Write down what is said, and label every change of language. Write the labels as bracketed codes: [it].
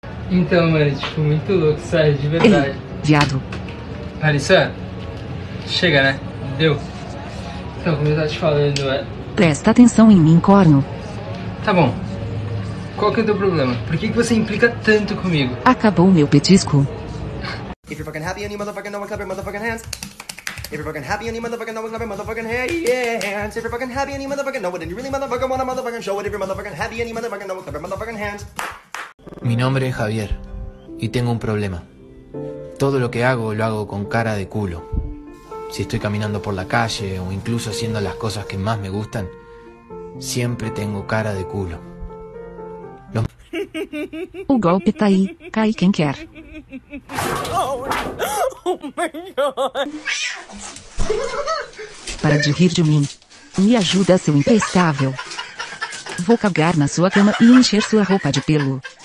[pt] Então, mano, tipo, muito louco, sério, de verdade. Ei, viado. Alissa, chega, né? Deu. Então, como eu tava te falando, é... Presta atenção em mim, corno. Tá bom. Qual que é o teu problema? Por que que você implica tanto comigo? Acabou o meu petisco. [en] If you're fucking happy and you motherfucking know, clap your motherfucking hands. If you're fucking happy and you motherfucking know it, clap your motherfucking hands. If you're fucking happy and you motherfucking know it, and you really motherfucking wanna motherfucking show it. If you're motherfucking happy and you motherfucking know it, clap your motherfucking hands. [es] Mi nombre es Javier, y tengo un problema. Todo lo hago con cara de culo. Si estoy caminando por la calle, o incluso haciendo las cosas que más me gustan, siempre tengo cara de culo. [pt] O golpe tá aí, cai quem quer. Para de rir de mim. Me ajuda, seu imprestável. Vou cagar na sua cama e encher sua roupa de pelo.